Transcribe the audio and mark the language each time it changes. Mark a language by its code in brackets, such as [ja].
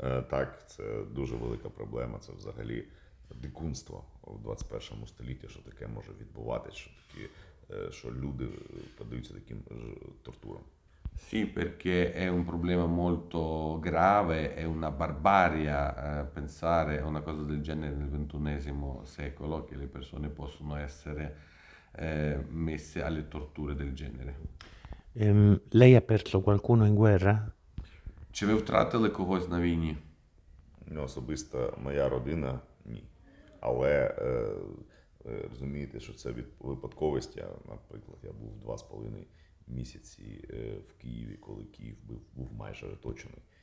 [uk] Так, це дуже велика проблема, це взагалі дикунство в 21 столітті, що таке може відбуватися, що люди подаються таким тортурам. [it] Sì, perché è un problema molto grave, è una barbaria pensare a una cosa del genere nel XXI secolo, che le persone possono essere messe alle torture del genere. Lei ha perso qualcuno in guerra? [uk] Чи ви втратили когось на війні? Ну, особисто моя родина – ні. Але розумієте, що це від випадковості. Наприклад, я був 2,5 місяці в Києві, коли Київ був майже оточений.